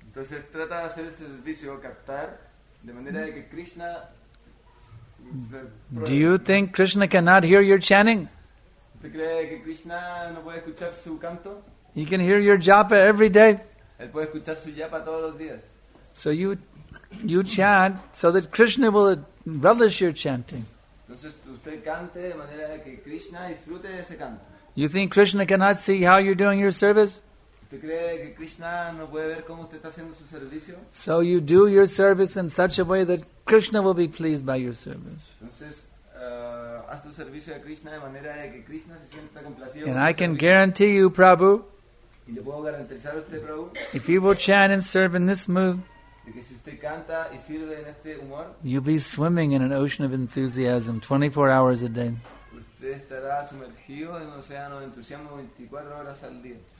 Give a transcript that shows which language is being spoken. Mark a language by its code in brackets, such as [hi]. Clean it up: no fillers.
[es] Entonces, trata de hacer el servicio, captar, de manera de que Krishna. [en] Do you think Krishna cannot hear your chanting? [es] ¿Tú crees que Krishna no puede escuchar su canto? [en] He can hear your japa every day. [es] Él puede escuchar su japa todos los días. [en] So you chant so that Krishna will relish your chanting. [es] Entonces usted cante de manera que Krishna disfrute de ese canto. [en] You think Krishna cannot see how you're doing your service? [es] ¿Usted cree que Krishna no puede ver cómo usted está haciendo su servicio? [en] So you do your service in such a way that Krishna will be pleased by your service. [es] Entonces, haz tu servicio a Krishna de manera de que Krishna se sienta complacido. [en] And I can guarantee you, Prabhu, [es] ¿y le puedo garantizar a usted, Prabhu? [en] If you will chant and serve in this mood, [es] que si usted canta y sirve en este humor, [en] you'll be swimming in an ocean of enthusiasm 24 hours a day. [es] Usted estará sumergido en un océano de entusiasmo 24 horas al día.